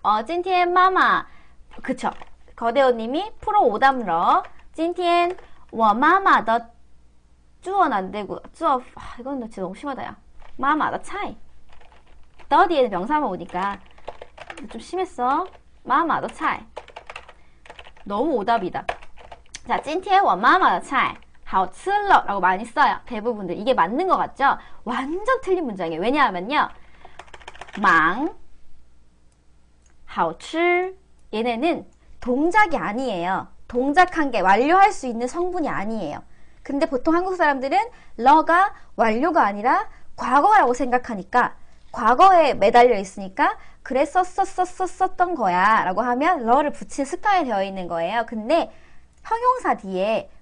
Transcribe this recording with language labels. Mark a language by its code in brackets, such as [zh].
[zh] 今天妈妈 [ko] 그쵸, 거대오님이 프로 오답러. [zh] 今天我妈妈的 [ko] 주어는 안 되고 주어 이건 진짜 너무 심하다야. [zh] 妈妈的菜 [ko] 더 뒤에는 명사만 오니까 좀 심했어. [zh] 妈妈的菜 [ko] 너무 오답이다. 자, [zh] 今天我妈妈的菜好吃了 [ko] 라고 많이 써요. 대부분들 이게 맞는 것 같죠? 완전 틀린 문장이에요. 왜냐하면요, [zh] 忙,好吃 [ko] 얘네는 동작이 아니에요. 동작한 게 완료할 수 있는 성분이 아니에요. 근데 보통 한국 사람들은 러가 완료가 아니라 과거라고 생각하니까 과거에 매달려 있으니까 그랬었었었었던 거야라고 하면 러를 붙인 습관이 되어 있는 거예요. 근데 형용사 뒤에